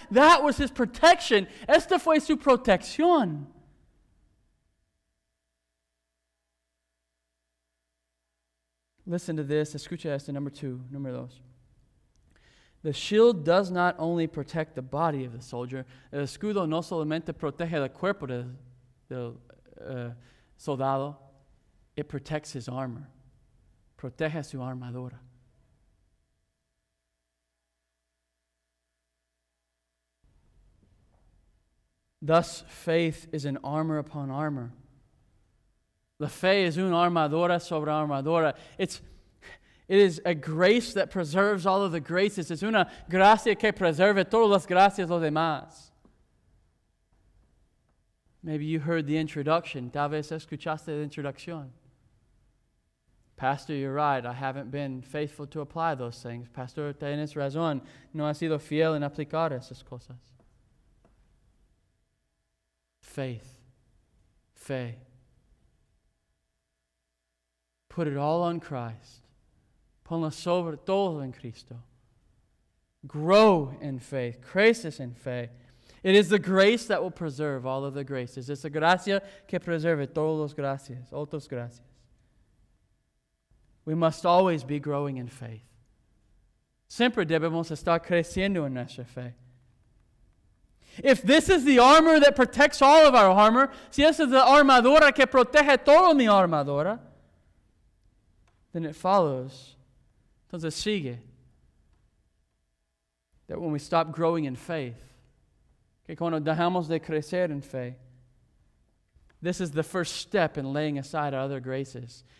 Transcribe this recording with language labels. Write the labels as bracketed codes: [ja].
[en] That was his protection. [es] Esta fue su protección. [en] Listen to this. [es] Escucha esto, [en] number two. Number dos. The shield does not only protect the body of the soldier. [es] El escudo no solamente protege el cuerpo del soldado. [en] It protects his armor. [es] Protege su armadura. [en] Thus, faith is an armor upon armor. [es] La fe es una armadura sobre armadura. [en] It is a grace that preserves all of the graces. [es] Es una gracia que preserve todas las gracias los demás. [en] Maybe you heard the introduction. [es] Tal vez escuchaste la introducción. [en] Pastor, you're right. I haven't been faithful to apply those things. [es] Pastor, tienes razón. No has sido fiel en aplicar esas cosas. [en] Faith. [es] Fe. [en] Put it all on Christ. [es] Ponlo sobre todo en Cristo. [en] Grow in faith. [es] Creces en fe. [en] It is the grace that will preserve all of the graces. [es] Es la gracia que preserve todas las gracias. Otras gracias. [en] We must always be growing in faith. [es] Siempre debemos estar creciendo en nuestra fe. [en] If this is the armor that protects all of our armor, [es] si esa es la armadura que protege toda mi armadura, [en] then it follows, [es] entonces sigue, [en] that when we stop growing in faith, [es] que cuando dejamos de crecer en fe, [en] this is the first step in laying aside our other graces.